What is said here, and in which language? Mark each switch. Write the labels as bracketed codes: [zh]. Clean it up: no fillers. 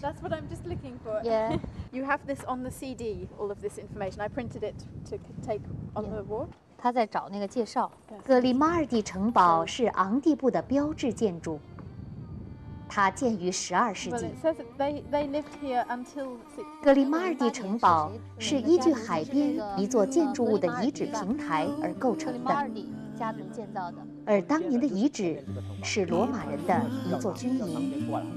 [en] That's what I'm just looking for. Yeah. You have this on the CD, all of this information. I printed it to take on the wall. [zh] 他在找那个介绍。格里马尔蒂城堡是昂蒂布的标志建筑。它建于12世纪。 [en] Well, it says that they lived here until 16th. [zh] 格里马尔蒂城堡是依据海边一座建筑物的遗址平台而构成的。家族建造的，而当年的遗址是罗马人的一座军营。